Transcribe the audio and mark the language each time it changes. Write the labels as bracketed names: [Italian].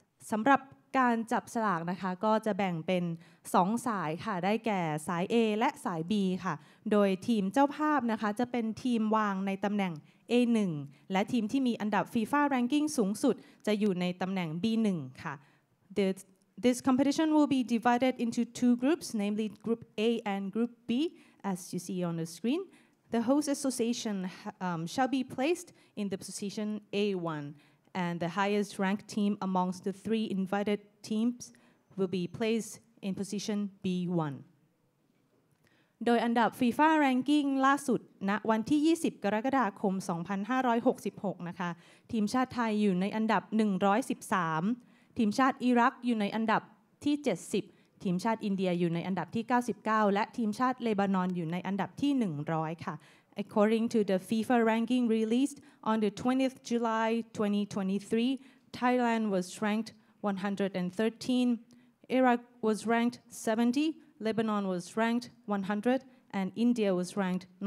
[Thai] สำหรับการจับสลากนะคะก็จะแบ่งเป็น2สายค่ะได้แก่สาย A และสาย B ค่ะโดยทีมเจ้าภาพนะคะจะเป็นทีมวางในตำแหน่ง A1 และทีมที่มีอันดับ FIFA ranking สูงสุดจะอยู่ในตำแหน่ง B1 ค่ะ [English] This competition will be divided into two groups, namely Group A and Group B, as you see on the screen. The host association shall be placed in the position A1, and the highest ranked team amongst the three invited teams will be placed in position B1. [Thai] โดยอันดับ FIFA ranking ล่าสุดณวันที่20กรกฎาคม2566นะคะทีมชาติไทยอยู่ในอันดับ 113ทีมชาติอิรักอยู่ในอันดับที่70ทีมชาติอินเดียอยู่ในอันดับที่99และทีมชาติเลบานอนอยู่ในอันดับที่100ค่ะ [English] According to the FIFA ranking released on the 20th July 2023 Thailand was ranked [Thai] 113 Iraq was ranked 70 Lebanon was ranked 100 and India was ranked